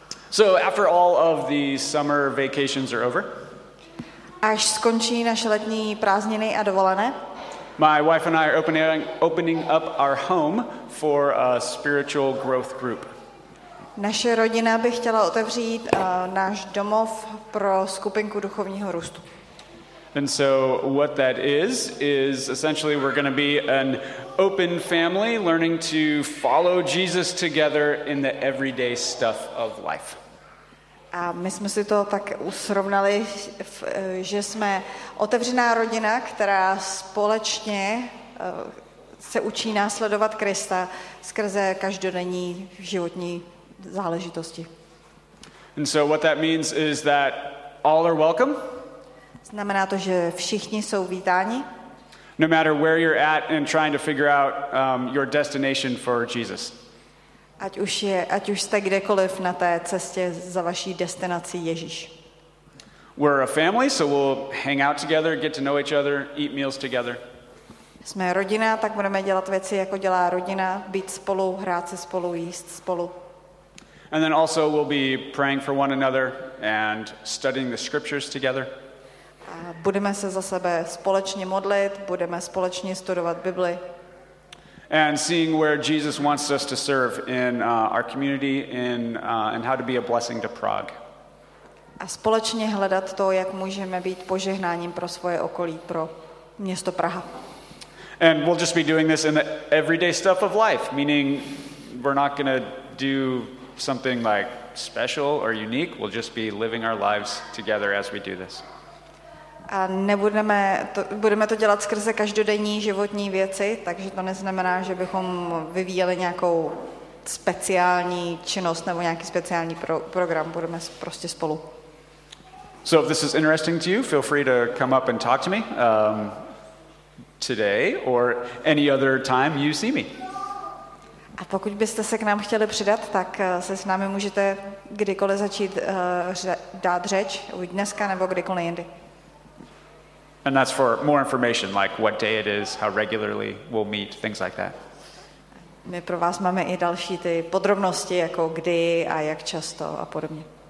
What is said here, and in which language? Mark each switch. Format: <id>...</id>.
<en>So after all of the summer vacations are over,</en> <cs>až skončí naše letní prázdniny a dovolené,</cs> <en>my wife and I are opening up our home for a spiritual growth group.</en> <cs>Naše rodina by chtěla otevřít náš domov pro skupinku duchovního růstu.</cs> <en>And so what that is essentially we're going to be an open family learning to follow Jesus together in the everyday stuff of life.</en> <cs>A my jsme si to tak usrovnali, že jsme otevřená rodina, která společně se učí následovat Krista skrze každodenní životní záležitosti.</cs> <en>And so what that means is that all are welcome.</en> <cs>Znamená to, že všichni jsou vítáni.</cs> <en>No matter where you're at and trying to figure out your destination for Jesus.</en> <cs>Ať už jste kdekoliv na té cestě za vaší destinací Ježíš.</cs> <en>We're a family, so we'll hang out together, get to know each other, eat meals together.</en> <cs>Jsme rodina, tak budeme dělat věci, jako dělá rodina, být spolu, hrát se spolu, jíst spolu.</cs> <en>And then also we'll be praying for one another and studying the scriptures together.</en> <cs>A budeme se za sebe společně modlit, budeme společně studovat Bibli.</cs> <en>And seeing where Jesus wants us to serve in our community and how to be a blessing to Prague.</en> <cs>A společně hledat to, jak můžeme být požehnáním pro svoje okolí, pro město Praha.</cs> <en>And we'll just be doing this in the everyday stuff of life, meaning we're not going to do something like special or unique, we'll just be living our lives together as we do this.</en> <cs>A budeme to dělat skrze každodenní životní věci, takže to neznamená, že bychom vyvíjeli nějakou speciální činnost nebo nějaký speciální program, budeme prostě spolu.</cs> <en>So if this is interesting to you, feel free to come up and talk to me today or any other time you see me.</en> <cs>A pokud byste se k nám chtěli přidat, tak se s námi můžete kdykoliv začít dát řeč, už dneska nebo kdykoliv jindy.</cs> <en>And that's for more information, like what day it is, how regularly we'll meet, things like that.</en> <cs>My pro vás máme i další ty podrobnosti, jako kdy a jak často a podobně.</cs>